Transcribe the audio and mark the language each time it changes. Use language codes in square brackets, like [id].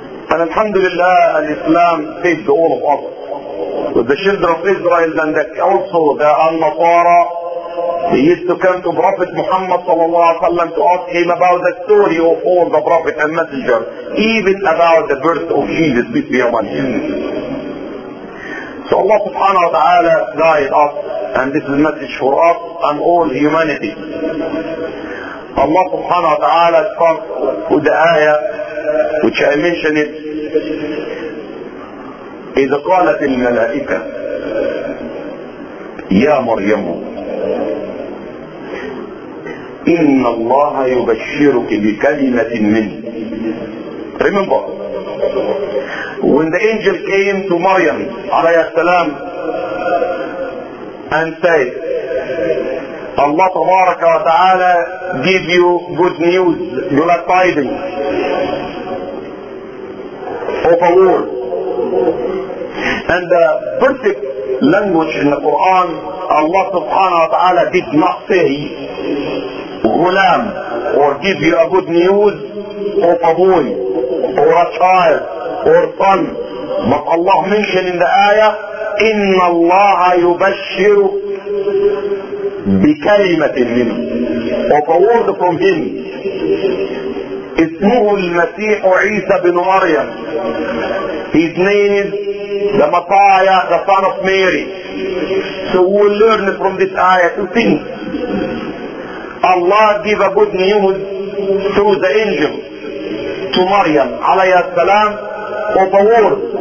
[en] And alhamdulillah, Islam saved all of us. With the children of Israel and also the Al-Nasara, he used to come to Prophet Muhammad sallallahu alaihi wasallam to ask him about the story of all the Prophet and Messenger, even about the birth of Jesus, peace be upon him. So Allah subhanahu wa ta'ala guide us, and this is a message for us and all humanity. Allah subhanahu wa ta'ala comes with the ayah which I mentioned it. [ar] إذ قالت الملائكة يا مريم إن الله يبشرك بكلمة منه. [en] Remember, when the angel came to Maryam alayhi salam and said, [ar] الله تبارك وتعالى [en] give you good news, glad tidings of a war. And the perfect language in the Quran, Allah subhanahu wa ta'ala did not say غلام or give you a good news of a boy or a child or son. But Allah mentioned in the ayah, [ar] إِنَّ اللَّهَ يُبَشِّرُ بِكَلِمَةٍ مِنْهُ [en] of a word from him. [ar] اسمه المسيح عيسى بن مريم. [en] His name is the Messiah, the son of Mary. So we will learn from this ayah two things. Allah gave a good news through the angel to Maryam alayhi salam of a word.